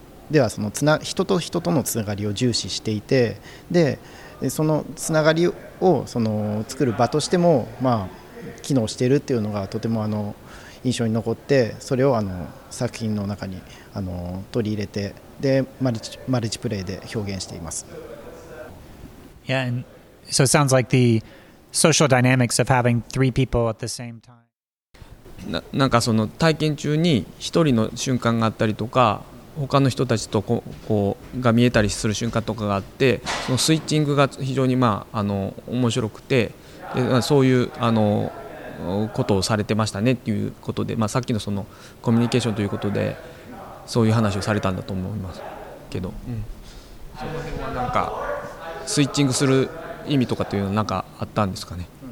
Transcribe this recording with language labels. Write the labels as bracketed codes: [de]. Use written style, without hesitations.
[ja] ではその人と人とのつながりを重視していて、でそのつながりをその作る場としても、まあ機能しているっていうのがとてもあの印象に残って、それをあの作品の中にあの取り入れて、でマルチプレイで表現しています。 [en] Yeah, and so it sounds like the social dynamics of having three people at the same time. [ja] なんかその体験中に一人の瞬間があったりとか、他の人たちとこうが見えたりする瞬間とかがあって、そのスイッチングが非常に、まあ、あの面白くて、そういうあのことをされてましたねということで、まあ、さっき の、 そのコミュニケーションということでそういう話をされたんだと思いますけど、うん、その辺はなんかスイッチングする意味とかというのは何かあったんですかね。